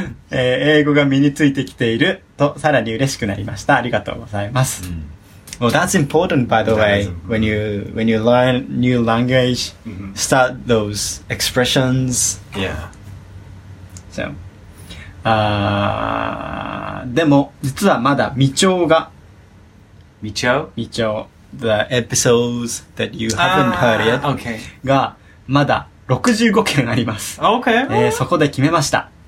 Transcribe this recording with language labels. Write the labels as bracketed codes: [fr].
[ja] 英語が身についてきているとさらに嬉しくなりました。ありがとうございます。 [en] Well, that's important, by the way. When you learn new language, start those expressions. Yeah. [ja] So, でも実はまだ未聴が。未聴？ [en] 未聴。The episodes that you haven't heard yet. Okay. [ja] がまだ65件あります。 [en] Okay. [ja] そこで決めました。